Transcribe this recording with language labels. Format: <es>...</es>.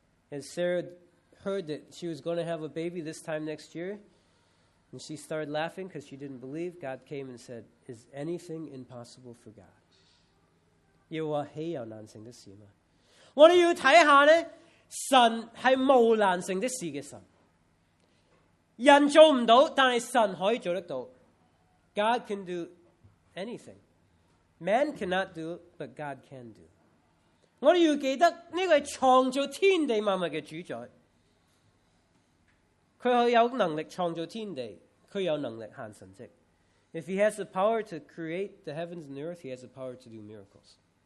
<en>And Sarah heard that she was going to have a baby this time next year. And she started laughing because she didn't believe. God came and said, is anything impossible for God?</en> <zh>耶和華稀有難成的事嗎?我們要看一下呢,神是無難成的事的神。人做不到,但是神可以做得到。</zh> <en>God can do anything. Man cannot do, but God can do.</en> <zh>我們要記得,這個是創造天地萬物的主宰。他有能力創造天地, 他有能力行神跡。</zh> <en>If he has the power to create the heavens and the earth, he has the power to do miracles.</en>